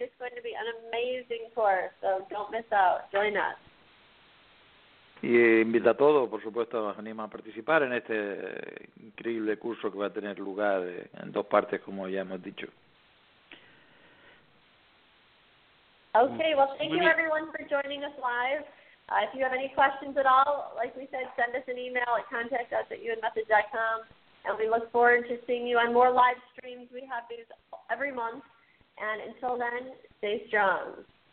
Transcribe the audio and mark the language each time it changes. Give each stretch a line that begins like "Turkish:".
English: It's going to be an amazing course, so don't miss out. Join us.
Spanish: Y invita a todos, por supuesto, nos anima a participar en este increíble curso que va a tener lugar en dos partes, como ya hemos dicho.
English: Okay, well, thank you everyone for joining us live. If you have any questions at all, like we said, send us an email at contactus@unmethod.com, and we look forward to seeing you on more live streams. We have these every month, and until then, stay strong.